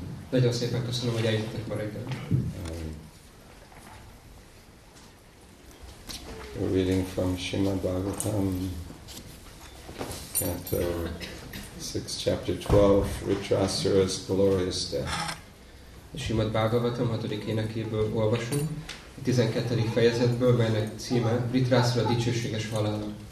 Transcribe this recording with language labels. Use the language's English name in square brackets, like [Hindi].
[Hungarian] Nagyon szépen köszönöm, hogy eljöttek ma reggel. [English] We're reading from Srimad Bhagavatam, Canto 6, Chapter 12, Ritrasura's Glorious Death. [Hungarian] Srimad Bhagavatam 6. énekéből olvasunk, 12. fejezetből, melynek címe Ritrasura dicsőséges halála.